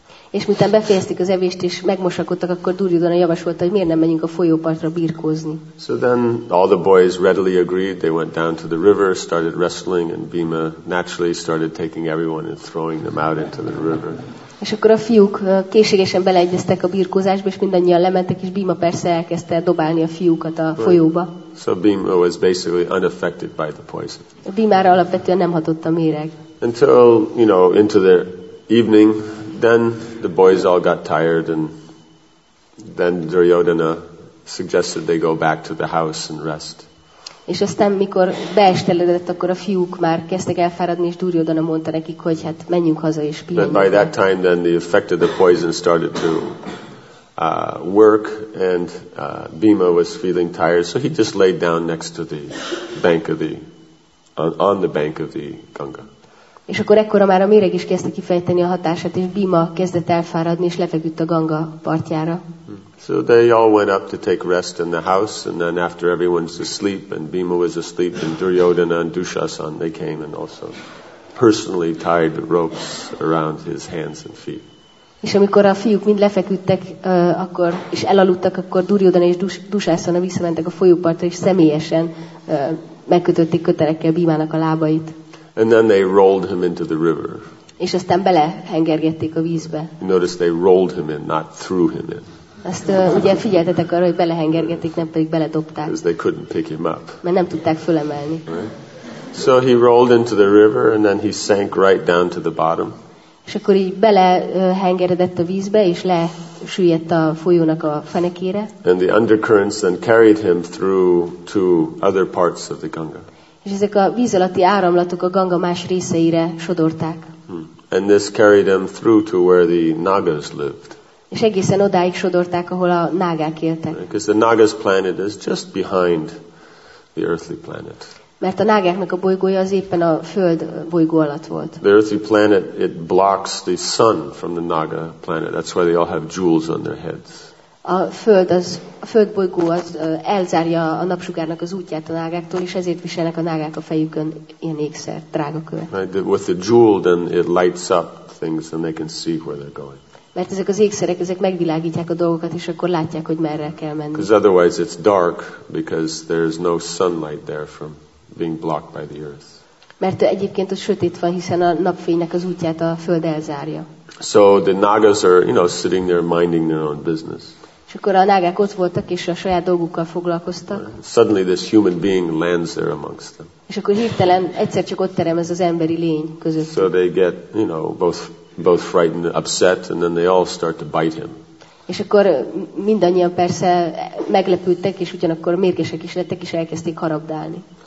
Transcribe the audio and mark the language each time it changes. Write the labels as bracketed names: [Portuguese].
[Hungarian] És miután befejezték az evést és megmosakodtak, akkor Duryodhana javasolta, hogy miért nem menjünk a folyópartra birkózni. [English] So then all the boys readily agreed, they went down to the river, started wrestling, and Bhima naturally started taking everyone and throwing them out into the river. [Hungarian] És akkor a fiúk készségesen beleegyeztek a birkózásba, és mindannyian lementek, és Bhima persze elkezdte dobálni a fiúkat a folyóba. [English] So Bhima was basically unaffected by the poison. [Hungarian] Bhimára alapvetően nem hatott a méreg. [English] Until, you know, into the evening, then the boys all got tired, and then Duryodhana suggested they go back to the house and rest. [Hungarian] És aztán, mikor beesteledett, akkor a fiúk már kezdtek elfáradni, és Duryodhana mondta nekik, hogy hát menjünk haza és pihenjünk. [English] By that time, then the effect of the poison started to work, and Bhima was feeling tired, so he just laid down next to the bank of the on the bank of the Ganga. [Hungarian] És akkor ekkora már a méreg is kezdte kifejteni a hatását, és Bhima kezdett elfáradni, és lefeküdt a Ganga partjára. [English] So they all went up to take rest in the house, and then after everyone's asleep, and Bhima was asleep, and Duryodhana and Dushasana, they came and also personally tied ropes around his hands and feet. [Hungarian] És amikor a fiúk mind lefeküdtek, akkor és elaludtak, akkor Duryodhana és Dushasana visszamentek a folyópartra, és személyesen megkötötték köterekkel Bhimának a lábait. [English] And then they rolled him into the river. [Hungarian] És aztán belehengergették a vízbe. [English] Notice they rolled him in, not threw him in. [Hungarian] Azt ugye figyeltetek arra, hogy belehengergetik, nem pedig beledobták. [English] Because they couldn't pick him up. [Hungarian] Mert nem tudták fölemelni. [English] So he rolled into the river and then he sank right down to the bottom. [Hungarian] És akkor így belehengeredett a vízbe és lesüllyedt a folyónak a fenekére. [English] And the undercurrents then carried him through to other parts of the Ganga. [Hungarian] És ezek a víz alatti áramlatok a Ganga más részeire sodorták. [English] And this carried him through to where the Nagas lived. [Hungarian] És egészen odáig sodorták, ahol a nágák éltek. [English] Because the Nagas planet is just behind the earthly planet. [Hungarian] Mert a nágáknak a bolygója az éppen a föld bolygó alatt volt. [English] The earthly planet, it blocks the sun from the Naga planet. That's why they all have jewels on their heads. [Hungarian] A föld bolygó az elzárja a napsugárnak az útját a nágáktól, és ezért viselnek a nágák a fejükön ilyen ékszer, drága követ. [English] Right, with the jewel, then it lights up things, and they can see where they're going. [Hungarian] Mert ezek az ékszerek, ezek megvilágítják a dolgokat, és akkor látják, hogy merre kell menni. [English] Because otherwise it's dark, because there's no sunlight there from being blocked by the earth. [Hungarian] Mert egyébként ott sötét van, hiszen a napfénynek az útját a föld elzárja. [English] So the Nagas are, you know, sitting there minding their own business. [Hungarian] És akkor a nágák ott voltak, és a saját dolgukkal foglalkoztak. [English] Suddenly this human being lands there amongst them. [Hungarian] És akkor hirtelen egyszer csak ott terem ez az emberi lény között. [English] So they get, you know, both frightened, upset, and then they all start to bite him. [Hungarian] És akkor mindannyian persze meglepődtek, és ugyanakkor mérgesek is lettek, és elkezdték harabdálni.